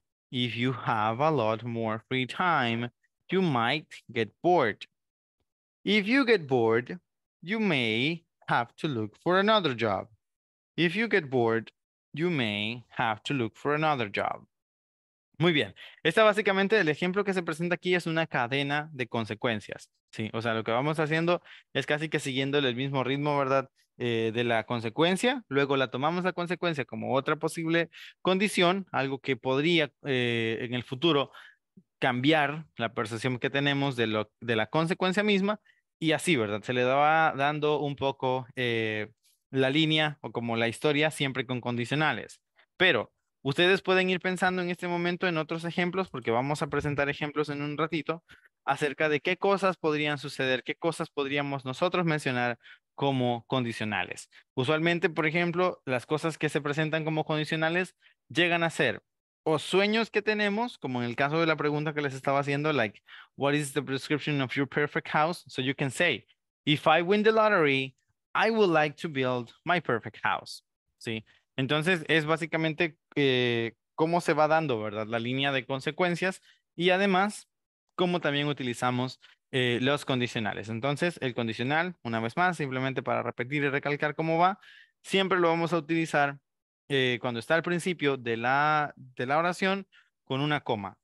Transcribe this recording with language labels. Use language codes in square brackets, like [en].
[en] If you have a lot more free time, you might get bored. If you get bored, you may have to look for another job. If you get bored, you may have to look for another job. [es] Muy bien. Esta básicamente, el ejemplo que se presenta aquí es una cadena de consecuencias. Sí, o sea, lo que vamos haciendo es casi que siguiendo el mismo ritmo, ¿verdad? De la consecuencia. Luego la tomamos la consecuencia como otra posible condición, algo que podría en el futuro cambiar la percepción que tenemos de la consecuencia misma. Y así, ¿verdad? Se le va dando un poco la línea o como la historia siempre con condicionales. Pero ustedes pueden ir pensando en este momento en otros ejemplos, porque vamos a presentar ejemplos en un ratito, acerca de qué cosas podrían suceder, qué cosas podríamos nosotros mencionar como condicionales. Usualmente, por ejemplo, las cosas que se presentan como condicionales llegan a ser o sueños que tenemos, como en el caso de la pregunta que les estaba haciendo, [en] like, what is the prescription of your perfect house? So you can say, if I win the lottery, I would like to build my perfect house. [es] ¿Sí? Entonces, es básicamente cómo se va dando, ¿verdad? La línea de consecuencias y además, cómo también utilizamos los condicionales. Entonces, el condicional, una vez más, simplemente para repetir y recalcar cómo va, siempre lo vamos a utilizar cuando está al principio de la oración con una coma.